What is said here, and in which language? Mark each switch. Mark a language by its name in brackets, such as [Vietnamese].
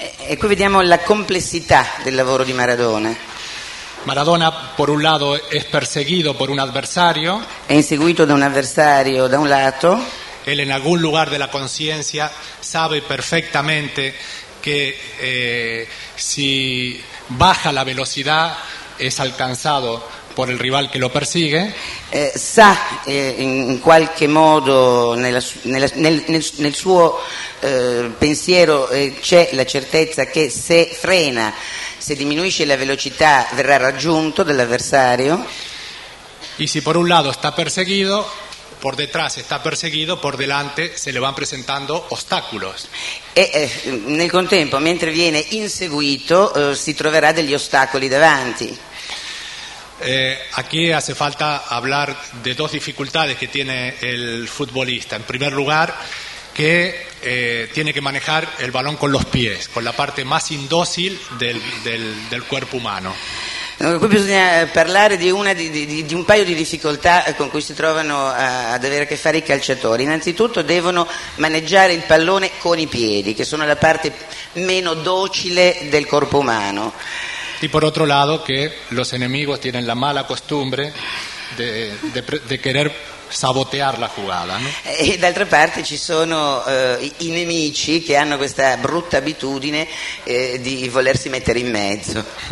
[Italian] E qui vediamo la complessità del lavoro di Maradona. [Spanish] Maradona, por un lado, es perseguido por un adversario. [Italian] È inseguito da un avversario, da un lato. [Spanish] Él en algún lugar de la conciencia sabe perfectamente que si baja la velocidad es alcanzado por el rival que lo persigue. [Italian] Sa in qualche modo nel suo pensiero c'è la certezza che se frena, se diminuisce la velocità, verrà raggiunto dall'avversario. [Spanish] Y si por un lado está perseguido, por detrás está perseguido, por delante se le van presentando obstáculos. [Italian] Nel contempo, mentre viene inseguito, si troverà degli ostacoli davanti. [Spanish] Aquí hace falta hablar de dos dificultades que tiene el futbolista. En primer lugar, que tiene que manejar el balón con los pies, con la parte más indócil del cuerpo humano. [Italian] Qui bisogna parlare di un paio di difficoltà con cui si trovano ad avere a che fare i calciatori. Innanzitutto devono maneggiare il pallone con i piedi, che sono la parte meno docile del corpo umano. [Spanish] E por otro lado que los enemigos tienen la mala costumbre de querer sabotear la jugada, ¿no? [Italian] E d'altra parte ci sono i nemici che hanno questa brutta abitudine di volersi mettere in mezzo.